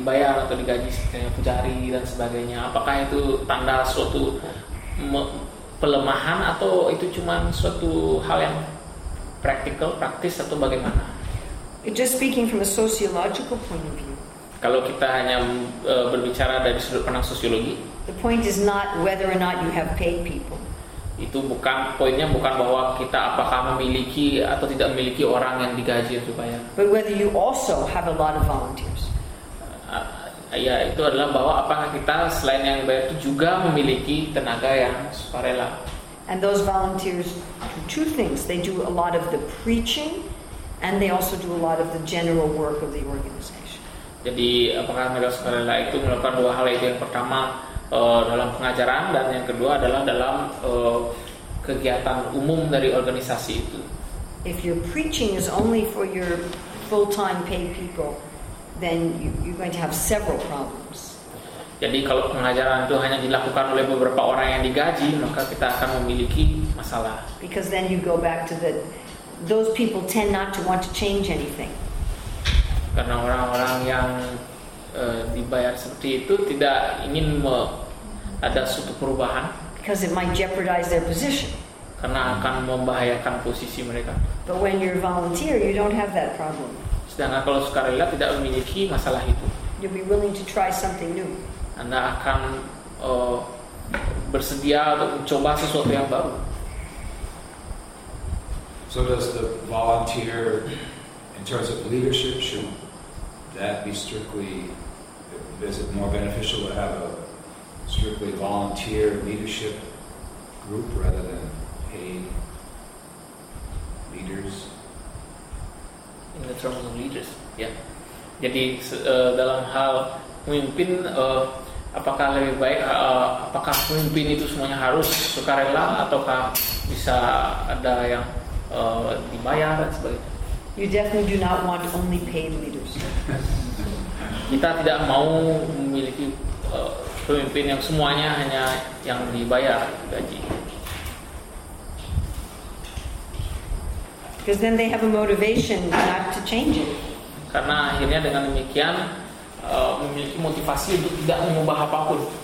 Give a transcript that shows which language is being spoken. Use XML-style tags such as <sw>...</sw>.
<id>dibayar atau digaji kayak pencari dan sebagainya. Apakah itu tanda suatu pelemahan atau itu cuma suatu hal yang practical, praktis atau bagaimana?</id> <en>Just speaking from a sociological point of view.</en> <id>Kalau kita hanya berbicara dari sudut pandang sosiologi.</id> <en>The point is not whether or not you have paid people.</en> <id>Itu bukan poinnya, bukan bahwa kita apakah memiliki atau tidak memiliki orang yang digaji atau bayar.</id> <en>But whether you also have a lot of volunteers.</en> <id>Ya, itu adalah bahwa apakah kita selain yang bayar itu juga memiliki tenaga yang sukarela.</id> <en>And those volunteers do two things. They do a lot of the preaching and they also do a lot of the general work of the organization.</en> <id>Jadi apakah mereka sukarela itu melakukan dua hal itu, yang pertama dalam pengajaran dan yang kedua adalah dalam kegiatan umum dari organisasi itu.</id> <en>If your preaching is only for your full-time paid people, then you're going to have several problems.</en> <id>Jadi kalau pengajaran itu hanya dilakukan oleh beberapa orang yang digaji, maka kita akan memiliki masalah.</id> <en>Because then you go back to those people tend not to want to change anything.</en> <id>Karena orang-orang yang dibayar seperti itu tidak ingin ada suatu perubahan.</id> <en>Because it might jeopardize their position.</en> <id>Karena akan membahayakan posisi mereka.</id> <en>But when you're a volunteer, you don't have that problem.</en> <id>Sedangkan kalau sukarela tidak memiliki masalah itu.</id> <en>You'll be willing to try something new.</en> <id>Anda akan bersedia untuk mencoba sesuatu yang baru.</id> <en>So does the volunteer, in terms of leadership, should that be strictly, is it more beneficial to have a strictly volunteer leadership group rather than paid leaders? In the terms of leaders, yeah.</en> <id>Jadi dalam hal memimpin, apakah lebih baik, apakah pemimpin itu semuanya harus sukarela ataukah bisa ada yang dibayar dan sebagainya?</id> <en>You definitely do not want only paid leaders.</en> <id>Kita tidak mau memiliki pemimpin yang semuanya hanya yang dibayar gaji.</id> <en>Because then they have a motivation not to change it.</en> <id>Karena akhirnya dengan demikian memiliki motivasi untuk tidak mengubah apapun.</id>